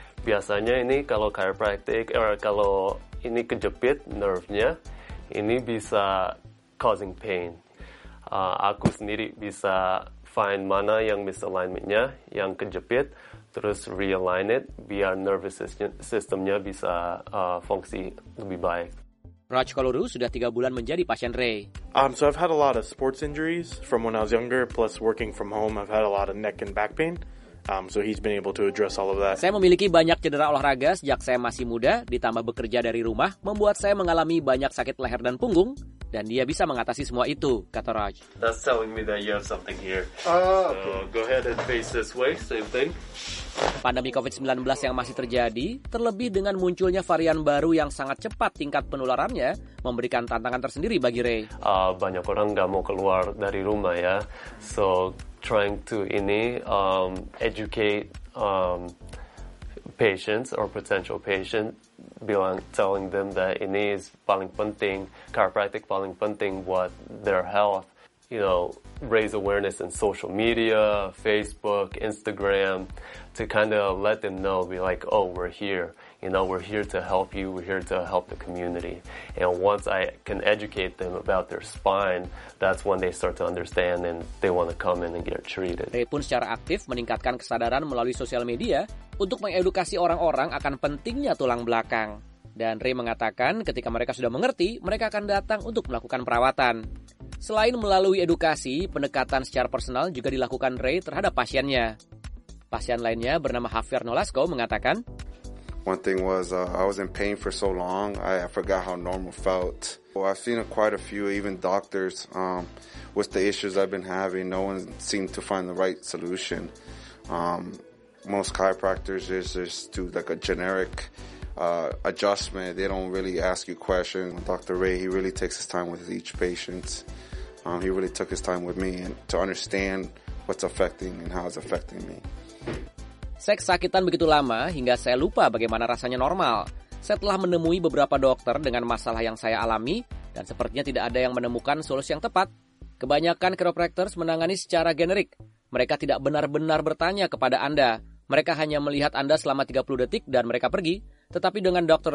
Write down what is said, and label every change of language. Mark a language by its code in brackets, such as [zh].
[id] Biasanya ini kalau chiropractic or kalau ini kejepit nerve-nya, ini bisa [en] causing pain. [id] Aku sendiri bisa find mana yang misalignment-nya, yang kejepit, terus [en] realign it, [id] biar nervous system-nya bisa fungsi lebih baik. Raj Kaluru sudah 3 bulan menjadi pasien Ray. [en] So I've had a lot of sports injuries from when I was younger, plus working from home, I've had a lot of neck and back pain. So he's been able to address all of that. [id] Saya memiliki banyak cedera olahraga sejak saya masih muda, ditambah bekerja dari rumah, membuat saya mengalami banyak sakit leher dan punggung, dan dia bisa mengatasi semua itu, kata Raj. [en] That's telling me that you have something here. Go ahead and face this way, same thing. [id] Pandemi COVID-19 yang masih terjadi, terlebih dengan munculnya varian baru yang sangat cepat tingkat penularannya, memberikan tantangan tersendiri bagi Ray. Banyak orang nggak mau keluar dari rumah ya. [en] So, trying to educate patients or potential patients, telling them that ini is [id] paling penting, chiropractic paling penting buat [en] their health, you know, raise awareness in social media, Facebook, Instagram, to kind of let them know, be like, oh, we're here, you know, we're here to help you, we're here to help the community. And once I can educate them about their spine, that's when they start to understand and they want to come in and get treated. [id] Ray pun secara aktif meningkatkan kesadaran melalui sosial media untuk mengedukasi orang-orang akan pentingnya tulang belakang. Dan Ray mengatakan ketika mereka sudah mengerti, mereka akan datang untuk melakukan perawatan. Selain melalui edukasi, pendekatan secara personal juga dilakukan Ray terhadap pasiennya. Pasien lainnya bernama Javier Nolasco mengatakan, [en] "One thing was I was in pain for so long, I forgot how normal felt. Well, I've seen quite a few even doctors with the issues I've been having, no one seemed to find the right solution. Most chiropractors just do like a generic adjustment. They don't really ask you questions. Dr. Ray, he really takes his time with each patient. He really took his time with me and to understand what's affecting and how it's affecting me." [id] Saya kesakitan begitu lama hingga saya lupa bagaimana rasanya normal. Saya telah menemui beberapa dokter dengan masalah yang saya alami dan sepertinya tidak ada yang menemukan solusi yang tepat. Kebanyakan chiropractors menangani secara generik. Mereka tidak benar-benar bertanya kepada Anda. Mereka hanya melihat Anda selama 30 detik dan mereka pergi. Tetapi dengan Dr.